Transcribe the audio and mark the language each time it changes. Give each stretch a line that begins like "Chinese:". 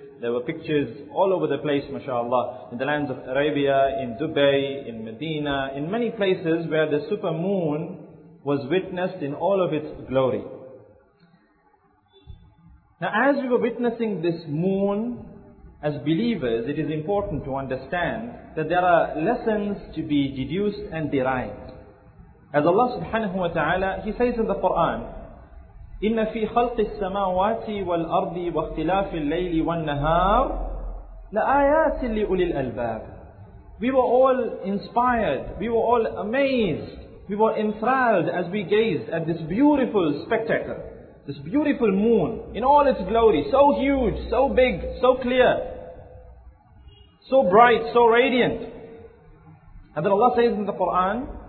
English: There were pictures all over the place, mashallah, in the lands of Arabia, in Dubai, in Medina, in many places where the super moon was witnessed in all of its glory. Now, as we were witnessing this moon, as believers, it is important to understand that there are lessons to be deduced and derived. As Allah subhanahu wa ta'ala, He says in the Quran,
Arabic: إن في خلق السماوات والأرض واختلاف الليل والنهار لآيات لأولي الألباب.
English: We were all inspired, we were all amazed, we were enthralled as we gazed at this beautiful spectacle, this beautiful moon in all its glory, so huge, so big, so clear, so bright, so radiant. And then Allah says in the Quran,